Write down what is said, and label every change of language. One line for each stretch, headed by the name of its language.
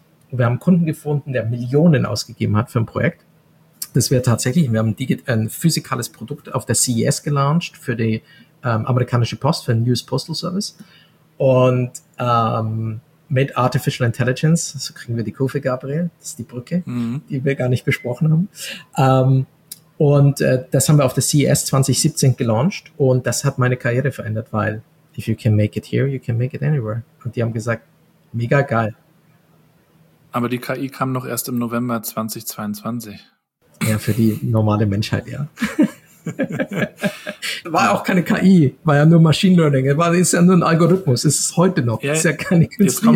German: Und wir haben einen Kunden gefunden, der Millionen ausgegeben hat für ein Projekt. Das wäre tatsächlich, wir haben ein physikales Produkt auf der CES gelauncht für die amerikanische Post, für den US Postal Service und mit Artificial Intelligence, so kriegen wir die Kurve, Gabriel, das ist die Brücke, die wir gar nicht besprochen haben. Das haben wir auf der CES 2017 gelauncht und das hat meine Karriere verändert, weil
English: if you can make it here, you can make it anywhere.
German: Und die haben gesagt, mega geil. Aber die KI kam noch erst im November 2022. Ja, für die normale Menschheit, ja. War auch keine KI, war ja nur Machine Learning, ist ja nur ein Algorithmus, ist es heute noch, ist ja keine künstliche